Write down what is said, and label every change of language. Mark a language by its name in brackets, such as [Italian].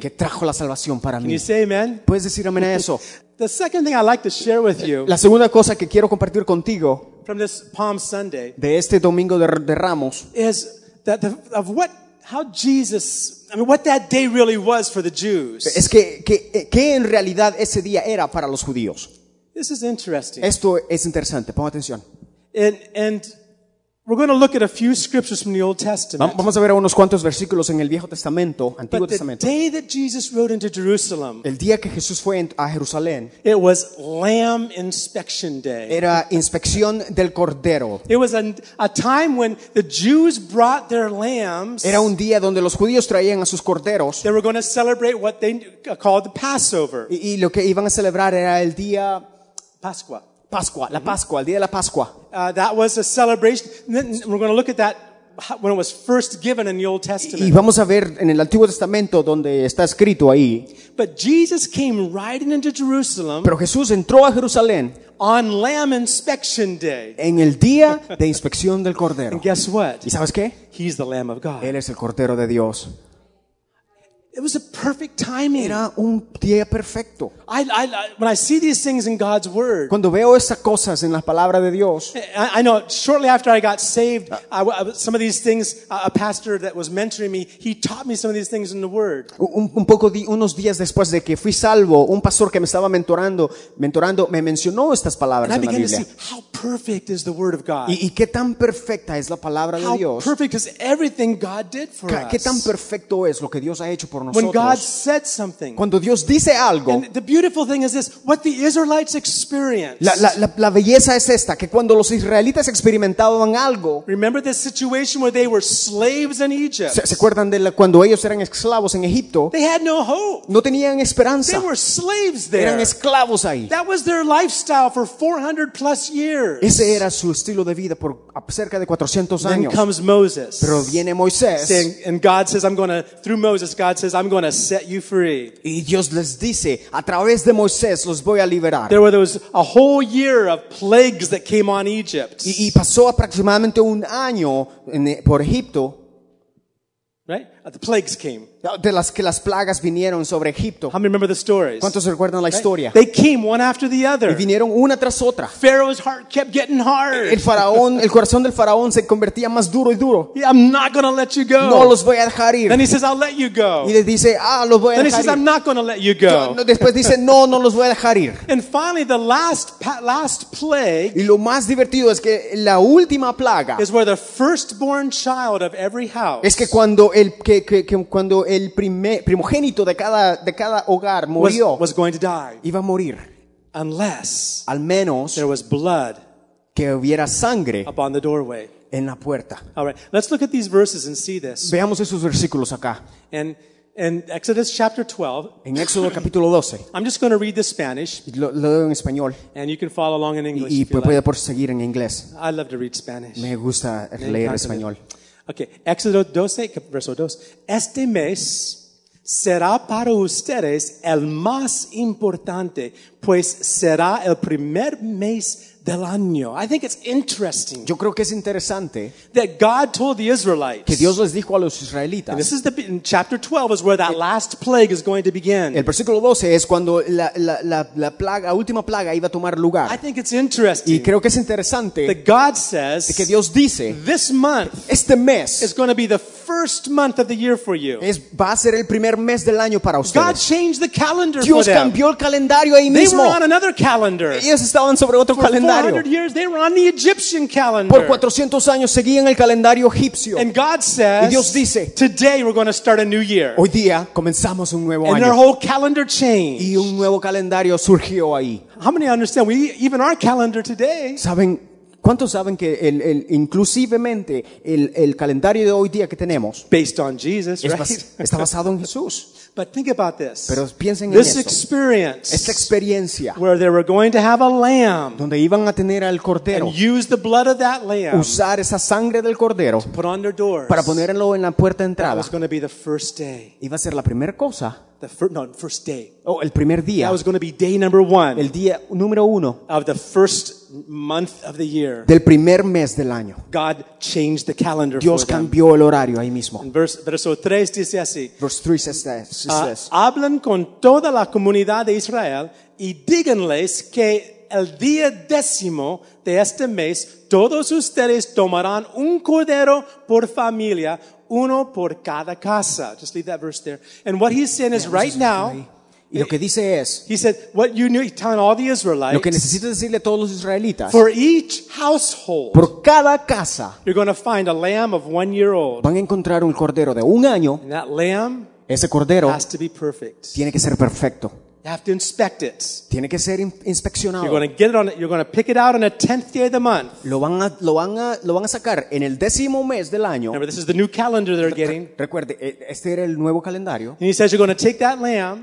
[Spanish] Que trajo la salvación para [English] Can [Spanish] mí. [English] You say amen? [Spanish] ¿Puedes decir amén a eso? [English] The second thing I like to share with you. [Spanish] La segunda cosa que quiero compartir contigo. [English] From this Palm Sunday. [Spanish] De este domingo de Ramos. [English] Is that of what how Jesus I mean what that day really was for the Jews. [Spanish] Es que en realidad ese día era para los judíos. [English] This is interesting. [Spanish] Esto es interesante, ponga atención. [English] And we're going to look at a few scriptures from the Old Testament. [Spanish] Vamos a ver unos cuantos versículos en el Viejo Testamento, Antiguo Testamento. [English] But the day that Jesus rode into Jerusalem. [Spanish] El día que Jesús fue a Jerusalén. [English] It was Lamb Inspection Day. [Spanish] Era inspección del cordero. [English] It was a time when the Jews brought their lambs. [Spanish] Era un día donde los judíos traían a sus corderos. [English] They were going to celebrate what they called the Passover. [Spanish] Y lo que iban a celebrar era el día Pascua. Pascua, la Pascua, el día de la Pascua. [English] That was a celebration. We're going to look at that when it was first given in the Old Testament. [Spanish] Y vamos a ver en el Antiguo Testamento donde está escrito ahí. [English] But Jesus came riding into Jerusalem. [Spanish] Pero Jesús entró a Jerusalén. [English] On Lamb Inspection Day. [Spanish] En el día de inspección del cordero. [English] And guess what? [Spanish] ¿Y sabes qué? [English] He's the Lamb of God. [Spanish] Él es el cordero de Dios. [English] It was a perfect timing. [Spanish] Era un día perfecto. [English] I when I see these things in God's word. [Spanish] Cuando veo esas cosas en la palabra de Dios. [English] I know shortly after I got saved, some of these things a pastor that was mentoring me, he taught me some of these things in the word. [Spanish] Unos días después de que fui salvo, un pastor que me estaba mentorando me mencionó estas palabras en la Biblia. [English] And I began to see how perfect is the word of God. [Spanish] Y qué tan perfecta es la palabra de Dios. [English] How perfect is everything God did for us. [Spanish] Qué tan perfecto es lo que Dios ha hecho. [English] When God said something, [Spanish] cuando Dios dice algo, [English] and the beautiful thing is this: what the Israelites experienced. [Spanish] La belleza es esta, que cuando los israelitas experimentaban algo. [English] Remember the situation where they were slaves in Egypt. [Spanish] Se acuerdan de cuando ellos eran esclavos en Egipto. [English] They had no hope. [Spanish] No tenían esperanza. [English] They were slaves there. [Spanish] Eran esclavos ahí. [English] That was their lifestyle for 400 plus years. [Spanish] Ese era su estilo de vida por cerca de 400 años. [English] Then comes Moses. [Spanish] Pero viene Moisés. [English] And God says, "I'm going to through Moses." God says, "I'm going to set you free." [Spanish] Y Dios les dice, a través de Moisés los voy a liberar. [English] There was a whole year of plagues that came on Egypt. [Spanish] Y pasó aproximadamente un año por Egipto. [English] Right? The plagues came. [Spanish] De las que las plagas vinieron sobre Egipto. [English] How many remember the stories? [Spanish] ¿Cuántos recuerdan la historia? [English] They came one after the other. [Spanish] Y vinieron una tras otra. [English] Pharaoh's heart kept getting hard. [Spanish] El corazón del faraón se convertía más duro y duro. [English] Yeah, I'm not going to let you go. [Spanish] No los voy a dejar ir. [English] Then he says, "I'll let you go." [Spanish] Y le dice, "Ah, los voy a [English] then [Spanish] dejar ir." [English] Then he says, "I'm not going to let you go." [Spanish] Después dice, "No, no los voy a dejar ir." [English] And finally, the last plague. [Spanish] Y lo más divertido es que la última plaga. [English] Is where the firstborn child of every house. [Spanish] Es que cuando el primogénito de cada hogar murió, [English] was going to die, [Spanish] iba a morir, [English] unless [Spanish] al menos [English] there was blood [Spanish] que hubiera sangre [English] upon the doorway. [Spanish] En la puerta. [English] All right, let's look at these verses and see this. [Spanish] Veamos esos versículos acá. [English] In Exodus chapter 12, [Spanish] en Éxodo capítulo 12, [English] I'm just going to read this Spanish, [Spanish] lo leo en español, [English] and you can follow along in English. [Spanish] Puede por seguir en inglés. [English] I love to read Spanish. [Spanish] Me gusta leer español. Okay, Éxodo 12, verso 2. Este mes será para ustedes el más importante, pues será el primer mes del año. [English] I think it's interesting. [Spanish] Yo creo que es interesante [English] that God told the Israelites. [Spanish] Que Dios les dijo a los israelitas. [English] And this is in chapter 12 is where that last plague is going to begin. [Spanish] El versículo 12 es cuando la última plaga iba a tomar lugar. [English] I think it's interesting. [Spanish] Y creo que es interesante [English] that God says. [Spanish] Que Dios dice. [English] This month. [Spanish] Este mes. [English] Is going to be the first month of the year for you. [Spanish] Va a ser el primer mes del año para ustedes. [English] God changed the calendar [Spanish] Dios [English] for them. [Spanish] Dios cambió el calendario ahí mismo. [English] They were on another calendar. [Spanish] Ellos estaban sobre otro [English] for [Spanish] calendario. [English] 400 years they were on the Egyptian calendar. [Spanish] Por 400 años seguían el calendario egipcio. [English] And God says, [Spanish] y Dios dice, [English] today we're going to start a new year. [Spanish] Hoy día comenzamos un nuevo [English] and [Spanish] año. [English] And our whole calendar changed. [Spanish] Y un nuevo calendario surgió ahí. [English] How many understand we even our calendar today? [Spanish] ¿Saben? ¿Cuántos saben que el inclusivemente el calendario de hoy día que tenemos [English] based on Jesus, [Spanish] es [English] right? [Spanish] Está basado en Jesús? [English] But think about this. [Spanish] Pero piensen [English] this [Spanish] en esto. [English] Experience, [Spanish] esta experiencia [English] where they were going to have a lamb, [Spanish] donde iban a tener al cordero [English] and use the blood of that lamb, [Spanish] usar esa sangre del cordero [English] to put on their doors, [Spanish] para ponerlo en la puerta de entrada. [English] That was going to be the first day. [Spanish] Iba a ser la primera cosa. [English] First day. [Spanish] Oh, el primer día. [English] That was going to be day number one. [Spanish] El día número uno. [English] Of the first month of the year. [Spanish] Del primer mes del año. [English] God changed the calendar. [Spanish] Dios [English] for [Spanish] cambió [English] them. [Spanish] El horario ahí mismo. Verso 3 dice así. [English] Verse 3 says this. [Spanish] Hablan con toda la comunidad de Israel y díganles que el día décimo de este mes todos ustedes tomarán un cordero por familia. Uno por cada casa. [English] Just leave that verse there. And what he's saying is right now. [Spanish] Y lo que dice es. [English] He said, what you need, telling all the Israelites. [Spanish] Lo que necesito decirle a todos los israelitas. [English] For each household. [Spanish] Por cada casa. [English] You're going to find a lamb of 1 year old. [Spanish] Van a encontrar un cordero de un año. [English] And that lamb. [Spanish] Ese cordero. [English] Has to be perfect. [Spanish] Tiene que ser perfecto. [English] You have to inspect it. [Spanish] Tiene que ser inspeccionado. [English] You're going to get it on. You're going to pick it out on the 10th day of the month. [Spanish] Lo van a sacar en el décimo mes del año. [English] Remember, this is the new calendar they're getting. [Spanish] Recuerde, este era el nuevo calendario. [English] And he says you're going to take that lamb.